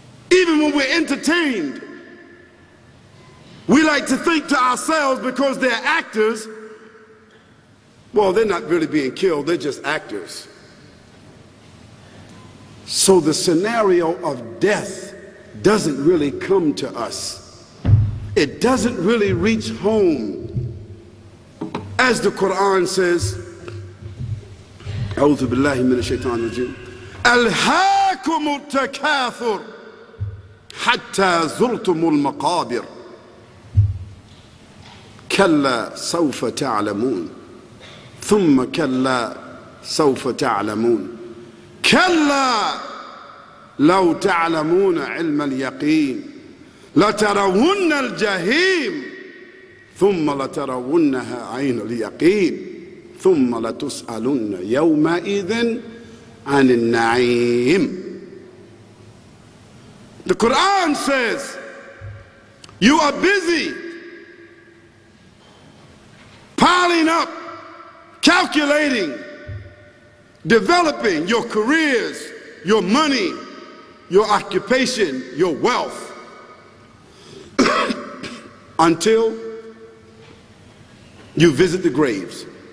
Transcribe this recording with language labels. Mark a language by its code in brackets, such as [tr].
[en] Even when we're entertained, we like to think to ourselves, because they're actors, well, they're not really being killed, they're just actors. So the scenario of death doesn't really come to us. It doesn't really reach home. As the Quran says, [ar] أعوذ بالله من الشيطان الرجيم ألهاكم التكاثر حتى زرتم المقابر كلا سوف تعلمون ثم كلا سوف تعلمون كلا لو تعلمون علم اليقين لترون الجحيم ثم لترونها عين اليقين ثم لتسألن يومئذ عن النعيم. [en] The Quran says, you are busy piling up, calculating, developing your careers, your money, your occupation, your wealth, until you visit the graves.